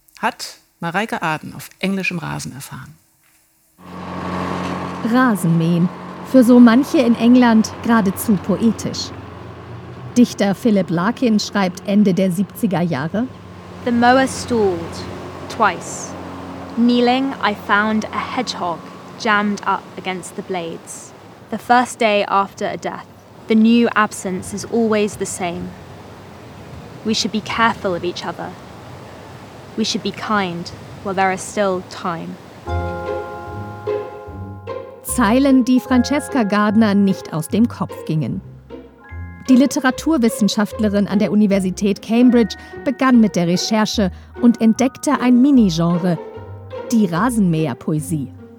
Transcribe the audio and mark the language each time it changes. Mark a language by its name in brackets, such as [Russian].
[German] Hat Mareike Aden auf englischem Rasen erfahren. Rasenmähen, für so manche in England geradezu poetisch. Dichter Philip Larkin schreibt Ende der 70er Jahre: [English] The mower stalled twice. Kneeling, I found a hedgehog jammed up against the blades. The first day after a death, the new absence is always the same. We should be careful of each other. We should be kind while there is still time. [German] Zeilen, die Francesca Gardner nicht aus dem Kopf gingen. Die Literaturwissenschaftlerin an der Universität Cambridge begann mit der Recherche und entdeckte ein Mini-Genre, die Rasenmäher-Poesie.